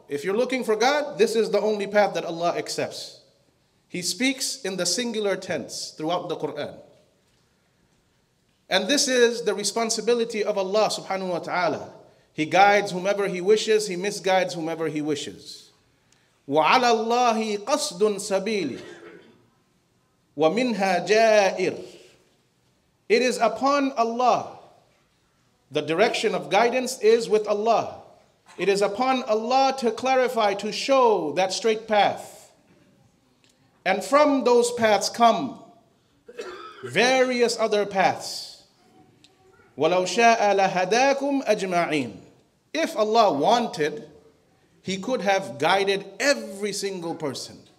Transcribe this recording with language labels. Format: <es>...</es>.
<en>If you're looking for God, this is the only path that Allah accepts. He speaks in the singular tense throughout the Quran. And this is the responsibility of Allah subhanahu wa ta'ala. He guides whomever He wishes, He misguides whomever He wishes.</en> <ar>وَعَلَى اللَّهِ قَصْدٌ سَبِيلِ وَمِنْهَا جَائِرٌ</ar> <en>It is upon Allah. The direction of guidance is with Allah. It is upon Allah to clarify, to show that straight path. And from those paths come various other paths.</en> <ar>وَلَوْ شَاءَ لَهَدَاكُمْ أَجْمَعِينَ</ar> <en>If Allah wanted, He could have guided every single person.</en>